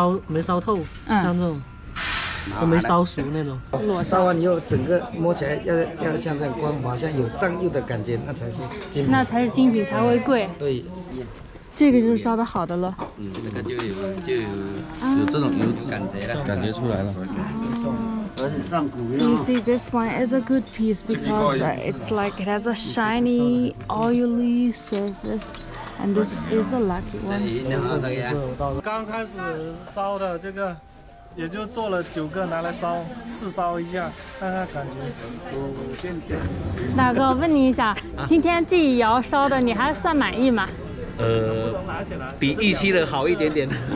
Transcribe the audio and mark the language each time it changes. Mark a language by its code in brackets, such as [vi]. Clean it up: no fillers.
[zh] 没烧透，像这种都没烧熟那种。烧完以后，整个摸起来要像这样光滑，像有上釉的感觉，那才是精品，那才是精品，才会贵。对。这个就是烧的好的了，这个就有这种油脂感觉了，感觉出来了。 [en] See, this one is a good piece because it's like it has a shiny, oily surface, and this is a lucky one. [zh] 刚开始烧的这个，也就做了九个拿来烧，试烧一下，看看感觉。大哥，问你一下，今天这一窑烧的，你还算满意吗？比预期的好一点点。